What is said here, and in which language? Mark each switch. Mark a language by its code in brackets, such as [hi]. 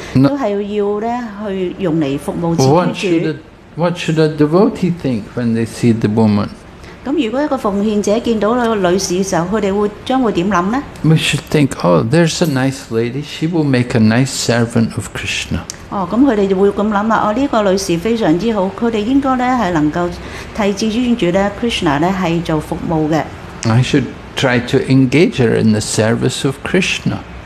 [zh] 我们应该要明白到每一个事情或者东西都是要用来服务自己主。 [en] What should a devotee think when they see the woman? [zh] 如果一个奉献者见到女士的时候，他们将会怎么想呢？ [en] We should think, oh, there's a nice lady, she will make a nice servant of Krishna. [zh] 他们就会这么想，这个女士非常之好，他们应该能够替至尊主Krishna做服务的。 [en] I should try to engage her in the service of Krishna.